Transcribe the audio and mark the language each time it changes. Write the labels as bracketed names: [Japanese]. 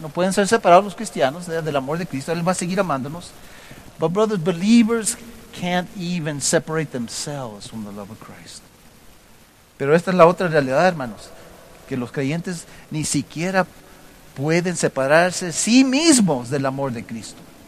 [Spanish] No pueden ser separados los cristianos del amor de Cristo. Él va a seguir amándonos. [English] But brothers, believers can't even separate themselves from the love of Christ. [Spanish] Pero esta es la otra realidad, hermanos, que los creyentes ni siquiera pueden separarse sí mismos del amor de Cristo.